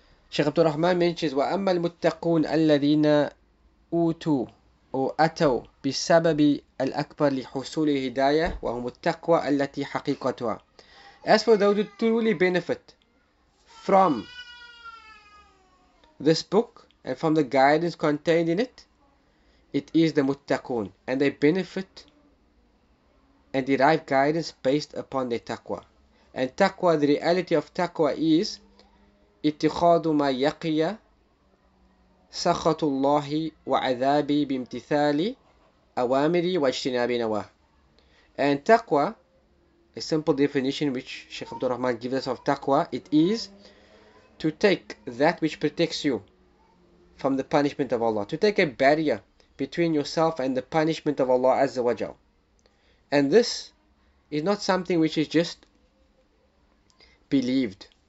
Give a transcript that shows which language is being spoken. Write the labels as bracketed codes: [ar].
[en] Shaykh Abdul Rahman mentions, [ar] وَأَمَّا الْمُتَّقُونَ الَّذِينَ أُوتُوا أو أتوا بسبب الأكبر لحصول الهداية وهم التقوى التي حقيقتها. [en] As for those who truly benefit from this book and from the guidance contained in it, it is the muttaqun. And they benefit and derive guidance based upon their taqwa. And taqwa, the reality of taqwa is [ar] اتخاذ ما يقي سخط الله وعذابي بامتثال أوامري واجتناب نواه. [en] And taqwa, a simple definition which Shaykh Abdul Rahman gives us of taqwa, it is to take that which protects you from the punishment of Allah. To take a barrier between yourself and the punishment of Allah Azza wa Jal. And this is not something which is just believed.